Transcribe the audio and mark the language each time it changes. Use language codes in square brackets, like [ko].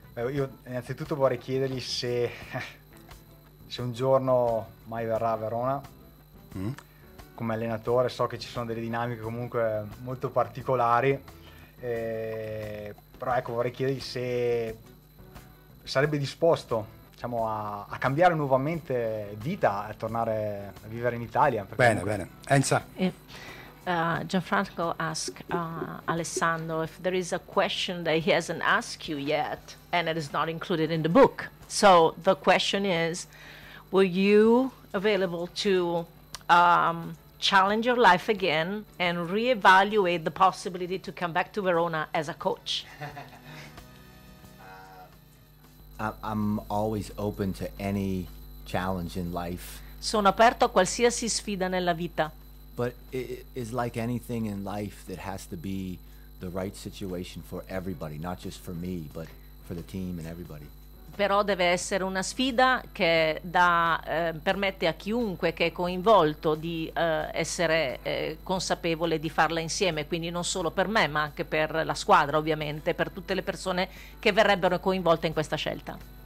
[it] Io innanzitutto vorrei chiedergli se un giorno mai verrà a Verona come allenatore. So che ci sono delle dinamiche comunque molto particolari, però ecco, vorrei chiedergli se sarebbe disposto, diciamo, a cambiare nuovamente vita e tornare a vivere in Italia. Bene, bene. Enza. [en] Gianfranco asked Alessandro if there is a question that he hasn't asked you yet and it is not included in the book. So the question is, were you available to challenge your life again and reevaluate the possibility to come back to Verona as a coach? I'm always open to any challenge in life. [it] Sono aperto a qualsiasi sfida nella vita. [en] But it is like anything in life, that has to be the right situation for everybody, not just for me, but for the team and everybody. [it] Però deve essere una sfida che permette a chiunque che è coinvolto di essere consapevole di farla insieme, quindi non solo per me, ma anche per la squadra, ovviamente, per tutte le persone che verrebbero coinvolte in questa scelta.